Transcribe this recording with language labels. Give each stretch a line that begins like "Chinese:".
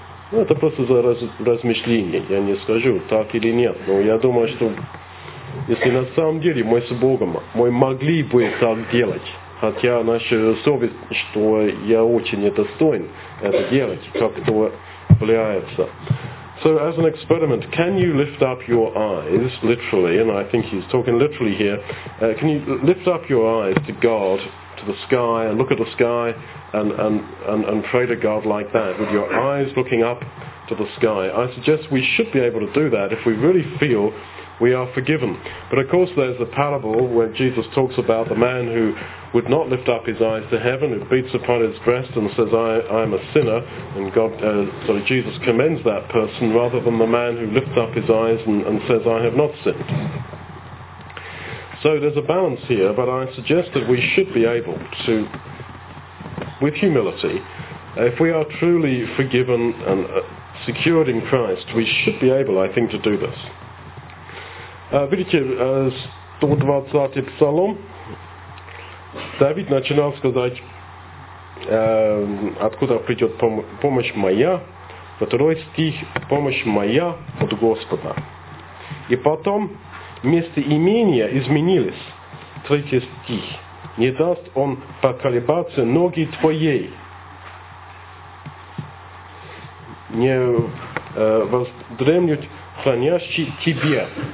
Russian: Ну, это просто за размышление, я не скажу, так или нет. Но я думаю, что если на самом деле мы с Богом, мы могли бы так делать, хотя наша совесть, что я очень недостоин это делать, как-то влияется.
English: So as an experiment, can you lift up your eyes, literally, and I think he's talking literally here, can you lift up your eyes to God, to the sky, and look at the sky, and pray to God like that, with your eyes looking up to the sky? I suggest we should be able to do that if we really feel we are forgiven. But of course there's a parable where Jesus talks about the man who would not lift up his eyes to heaven, who beats upon his breast and says, I am a sinner, and God, Jesus commends that person rather than the man who lifts up his eyes and says, I have not sinned. So there's a balance here, but I suggest that we should be able to, with humility, if we are truly forgiven and secured in Christ, we should be able, I think, to do this.
Russian: Видите, 120-й псалом, Давид начинал сказать, откуда придет помощь моя, второй стих, помощь моя от Господа. И потом местоимения изменились, третий стих, не даст он поколебаться ноги твоей, не воздремлют хранящий тебе.